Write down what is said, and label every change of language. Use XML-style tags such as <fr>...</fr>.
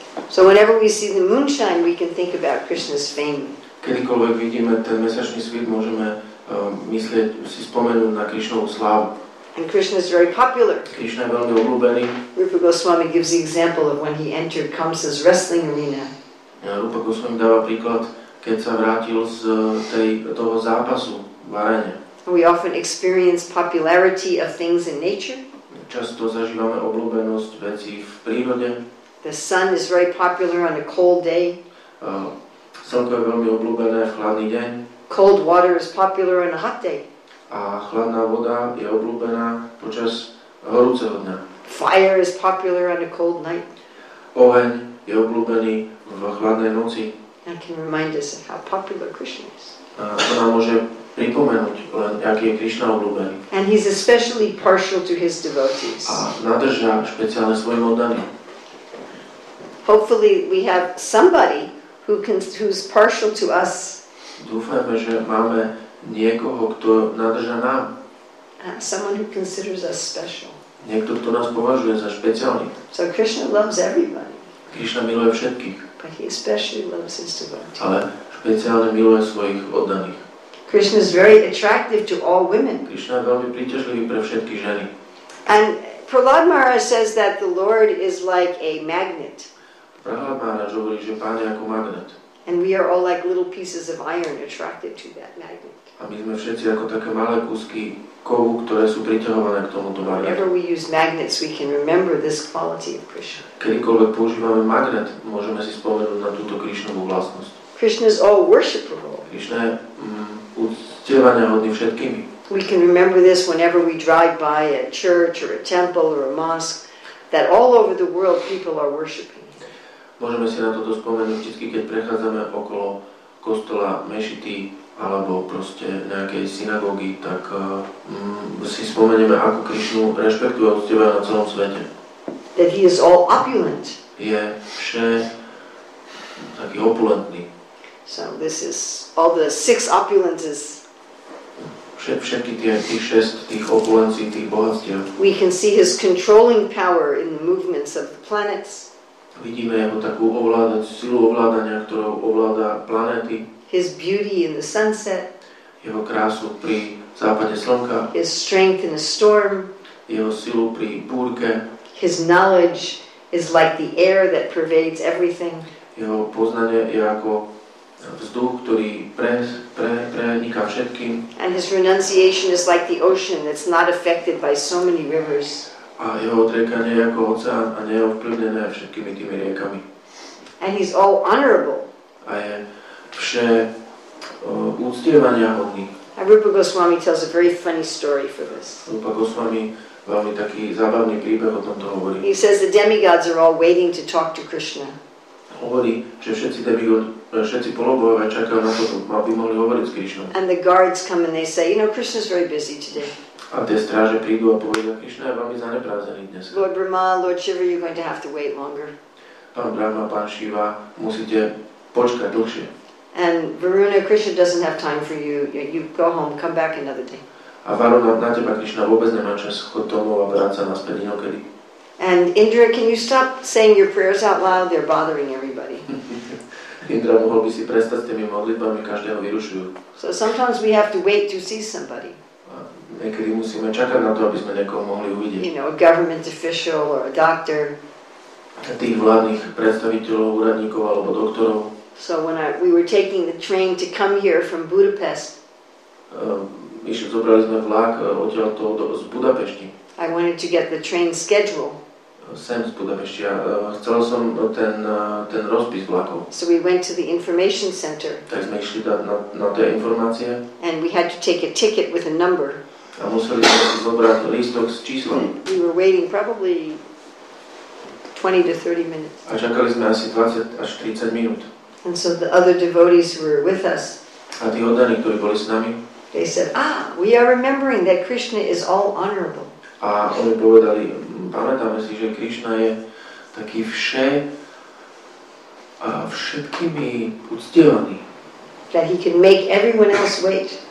<en>So whenever we see the moonshine, we can think about Krishna's fame.</en> <sk>Kedykoľvek vidíme ten mesačný svit, môžeme myslieť, si spomenúť na Krishnovu slávu.</sk> <en>And Krishna is very popular.</en> <sk>Krishna je veľmi obľúbený.</sk> <en>Rupa Goswami gives the example of when he entered Kamsa's wrestling arena.</en> <sk>Rupa Goswami dáva príklad, keď sa vrátil z toho zápasu v aréne.</sk> <en>We often experience popularity of things in nature.</en> <sk>Často zažívame obľúbenosť vecí v prírode.</sk> <en>The sun is very popular on a cold day.</en> <sk>Slnko je veľmi obľúbené v chladný deň.</sk> <en>Cold water is popular on a hot day.</en> <sk>A chladná voda je obľúbená počas horúceho dňa.</sk> <en>Fire is popular on a cold night.</en> <sk>Oheň je obľúbený v chladnej noci.</sk> <en>That can remind us of how popular Krishna is.</en> <sk>A to nám môže pripomenúť len, aký je Krishna obľúbený.</sk> <en>And he's especially partial to his devotees.</en> <sk>A nadržia špeciálne svojim oddaným.</sk> <en>Hopefully we have somebody who's partial to us.</en> <sk>Dúfame, že máme niekoho, kto nadrža nám.</sk> <en>Someone who considers us special.</en> <sk>Niekto, kto nás považuje za špeciálny.</sk> <en>So Krishna loves everybody.</en> <sk>Krishna miluje všetkých.</sk> <en>But he especially loves his devotees.</en> <sk>Ale špeciálne miluje svojich oddaných.</sk> <en>Krishna is very attractive to all women.</en> <sk>Krishna je veľmi príťažlivý pre všetky ženy.</sk> <en>And Prahlad Maharaj says that the Lord is like a magnet.</en> <sk>Prahlad Maharaj hovorí, že Pán je ako magnet.</sk> <en>And we are all like little pieces of iron attracted to that magnet.</en> <sk>A my sme všetci ako také malé kúsky kovu, ktoré sú priťahované k tomuto magnetu.</sk> <en>Whenever we use magnets, we can remember this quality of Krishna.</en> <sk>Kedykoľvek používame magnet, môžeme si spomenúť na túto Krishnovú vlastnosť.</sk> <en>Krishna is all worshipable.</en> <sk>Krishna je uctievania hodný všetkými.</sk> <en>We can remember this whenever we drive by a church or a temple or a mosque, that all over the world people are worshiping.</en> <sk>Môžeme si na toto spomenúť vždy, keď prechádzame okolo kostola, mešity alebo proste nejakej synagógy, tak si spomenieme, ako Krishnu rešpektuje a uctievajú na celom svete.</sk> <en>That he is all opulent.</en> <sk>Je vše taký opulentný.</sk> <en>So this is all the six opulences.</en> <sk>Všetky tých šest tých opulencí, tých bohatstiev.</sk> <en>We can see his controlling power in the movements of the planets.</en> <sk>Vidíme jeho takú ovládať, silu ovládania, ktorou ovláda planéty.</sk> <en>His beauty in the sunset.</en> <sk>Jeho krásu pri západe slnka.</sk> <en>His strength in a storm.</en> <sk>Jeho silu pri búrke.</sk> <en>His knowledge is like the air that pervades everything.</en> <sk>Jeho poznanie je ako vzduch, ktorý preniká všetkým.</sk> <en>And his renunciation is like the ocean that's not affected by so many rivers.</en> <sk>A jeho odriekanie je ako oceán a nie je ovplyvnené všetkými tými riekami.</sk> <en>And he's all honorable.</en> <sk>A je vše uctievania hodný.</sk> <en>And Rupa Goswami tells a very funny story for this.</en> <sk>Rupa Goswami veľmi taký zábavný príbeh o tomto hovorí.</sk> <en>He says the demigods are all waiting to talk to Krishna.</en> <sk>Hovorí, že všetci polobohovia čakajú na to, aby mohli hovoriť s Krishnou.</sk> <en>And the guards come and they say, you know, Krishna's very busy today.</en> <sk>A tie stráže prídu a povedia, Krišna, ja vám je zanepráznený dnes.</sk> <en>Lord Brahma, Lord Shiva, you're going to have to wait longer.</en> <sk>Pán Brahma, pán Shiva, musíte počkať dlhšie.</sk> <en>And Varuna, Krishna doesn't have time for you. You go home, come back another day.</en> <sk>A Varuna, na teba Krišna vôbec nemá čas, chod domov a vráť sa naspäť inokedy.</sk> <en>And Indra, can you stop saying your prayers out loud? They're bothering everybody.</en> <sk>Indra, mohol by si prestať s tými modlitbami, každého vyrušujú.</sk> <en>So sometimes we have to wait to see somebody.</en> <sk>Niekedy musíme čakať na to, aby sme niekoho mohli uvidieť.</sk> <en>You know, a government official or a doctor.</en> <sk>Tých vládnych predstaviteľov, úradníkov alebo doktorov.</sk> <en>So when we were taking the train to come here from Budapest.</en> <sk>Zobrali sme vlak odtiaľto z Budapešti.</sk> <en>I wanted to get the train schedule.</en> <sk>Sem z Budapešti. Chcel som ten rozpis vlakov.</sk> <en>So we went to the information center.</en> <sk>Tak sme išli na tie informácie.</sk> <en>And we had to take a ticket with a number.</en> <sk>A museli sme si zobrať lístok s číslom.</sk> <en>We were waiting probably 20 to 30 minutes.</en> <sk>A čakali sme asi 20 až 30 minút.</sk> <en>And so the other devotees who were with us.</en> <sk>A tí oddaní, ktorí boli s nami.</sk> <en>They said, "Ah, we are remembering that Krishna is all honorable."</en> <sk>A oni povedali, pamätáme si, že Krishna je taký všetkými uctievaný.</sk> <en>That he can make everyone else wait.</en>